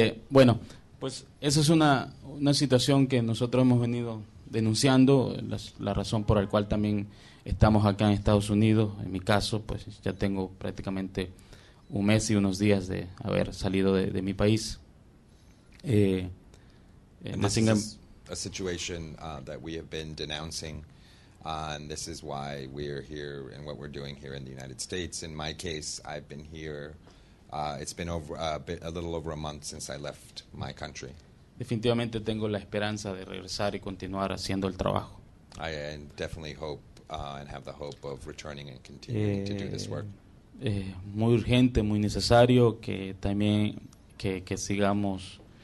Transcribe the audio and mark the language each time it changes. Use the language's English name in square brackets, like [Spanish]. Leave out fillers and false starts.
[Spanish] Bueno, pues esa es una situación que nosotros hemos venido denunciando, la razón por la cual también estamos acá en Estados Unidos. En mi caso, pues ya tengo prácticamente un mes y unos días de haber salido de mi país. [English] A situation that we have been denouncing, and this is why we're here and what we're doing here in the United States. In my case, I've been here. It's been a little over a month since I left my country. [Spanish] Definitivamente tengo la esperanza de regresar y continuar haciendo el trabajo. [English] I definitely hope and have the hope of returning and continuing to do this work. [Spanish] Muy urgente, muy necesario que también que sigamos.